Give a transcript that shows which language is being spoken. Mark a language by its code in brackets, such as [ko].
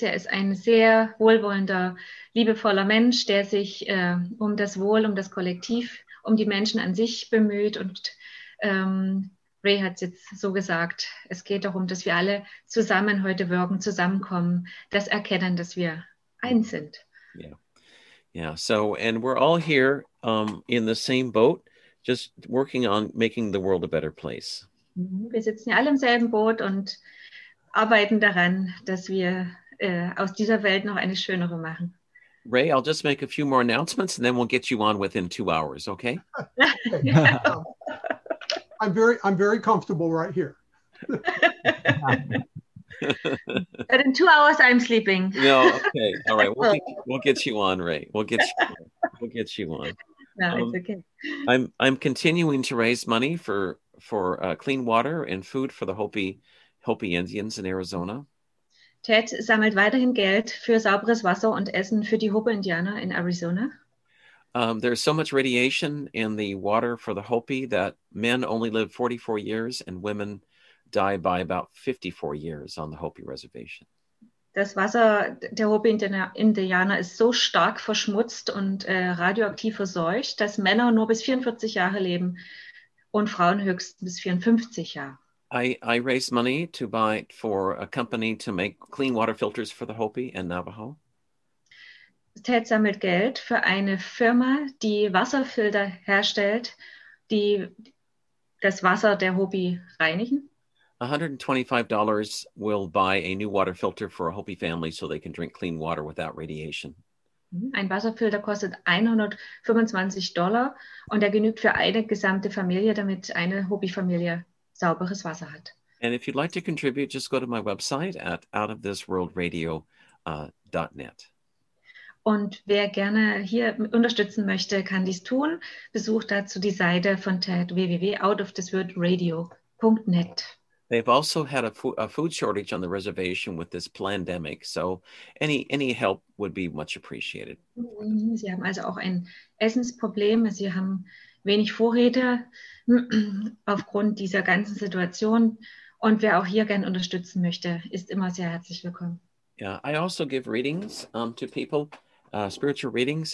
[de] Er ist ein sehr wohlwollender, liebevoller Mensch, der sich um das Wohl, um das Kollektiv, um die Menschen an sich bemüht. Und Ray hat es jetzt so gesagt, es geht darum, dass wir alle zusammen heute wirken, zusammenkommen, das erkennen, dass wir eins sind. [en] Yeah. So, and we're all here in the same boat, just working on making the world a better place. [de] Wir sitzen ja alle im selben Boot und arbeiten daran, dass wir aus dieser Welt noch eine schönere machen. [en] Ray, I'll just make a few more announcements and then we'll get you on within 2 hours, okay? I'm very comfortable right here. But in 2 hours, I'm sleeping. No, okay. All right. We'll get you on, Ray. We'll get you on. No, it's okay. I'm continuing to raise money for clean water and food for the Hopi Indians in Arizona. [de] Ted sammelt weiterhin Geld für sauberes Wasser und Essen für die Hopi Indianer in Arizona. [en] There's so much radiation in the water for the Hopi that men only live 44 years and women die by about 54 years on the Hopi Reservation. [de] Das Wasser der Hopi Indianer ist so stark verschmutzt und radioaktiv verseucht, dass Männer nur bis 44 Jahre leben und Frauen höchstens bis 54 Jahre. [en] I raised money to buy for a company to make clean water filters for the Hopi and Navajo. [de] Ted sammelt Geld für eine Firma, die Wasserfilter herstellt, die das Wasser der Hopi reinigen. [en] $125 will buy a new water filter for a Hopi family so they can drink clean water without radiation. [de] Ein Wasserfilter kostet $125 und er genügt für eine gesamte Familie, damit eine Hopi-Familie sauberes Wasser hat. [en] And if you'd like to contribute, just go to my website at outofthisworldradio.net. [de] Und wer gerne hier unterstützen möchte, kann dies tun. Besucht dazu die Seite von Ted, www.outofthisworldradio.net. They've also had a food shortage on the reservation with this pandemic, so any help would be much appreciated. Sie haben also auch ein Essensproblem. Sie haben wenig Vorräte aufgrund dieser ganzen Situation. Und wer auch hier gerne unterstützen möchte, ist immer sehr herzlich willkommen. [en] Yeah, I also give readings to people, spiritual readings.